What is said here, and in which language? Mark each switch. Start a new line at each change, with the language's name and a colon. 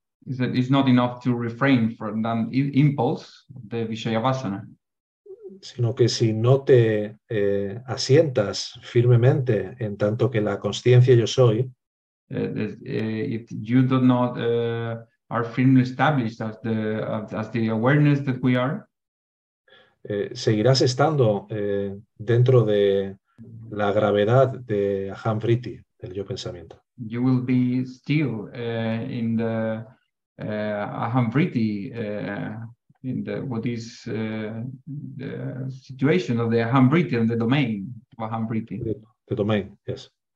English: Is that it's not enough to refrain from that impulse, the Vishaya Vasana.
Spanish: sino que si no te asientas firmemente en tanto que la consciencia yo soy,
English: if you do not are firmly established as the awareness that we are,
Spanish: seguirás estando dentro de la gravedad de aham vritti, del yo pensamiento.
English: You will be still in the aham vritti, in the what is the situation of the aham vritti and the domain of aham vritti. The domain, yes.